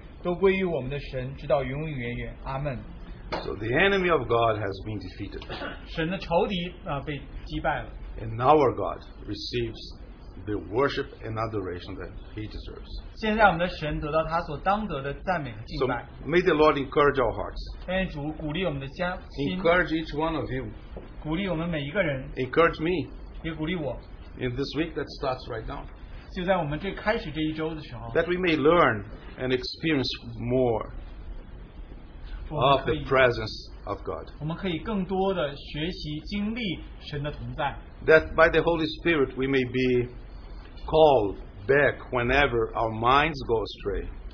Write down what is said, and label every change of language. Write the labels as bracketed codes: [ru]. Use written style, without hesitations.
[zh] 站在宝座和高原面，请圣城白衣手拿棕树枝，大声喊着说：“愿救恩归于坐在宝座上的我们的神，也归于羔羊。众天使也站在宝座和众长老，并四活物的周围，在宝座面前面伏于地敬拜神，说：阿们！颂赞、荣耀、智慧、感谢、尊贵、权柄、大力，都归于我们的神，直到永永远远。阿们。” [en] So the enemy of God has been defeated. [zh] 神的仇敌被击败了。 [en] And our God receives the worship and adoration that he deserves. [zh] 现在我们的神得到他所当得的赞美和敬拜。 [en] So may the Lord encourage our hearts. [zh] 愿主鼓励我们的心。 [en] Encourage each one of you. [zh] 鼓励我们每一个人。 [en] Encourage me. [zh] 也鼓励我。 [en] In this week that starts right now. [zh] 就在我们最开始这一周的时候。 [en] That we may learn and experience more of the presence of God. [zh] 我们可以更多的学习经历神的同在。 [en] That by the Holy Spirit we may be called back whenever our minds go astray.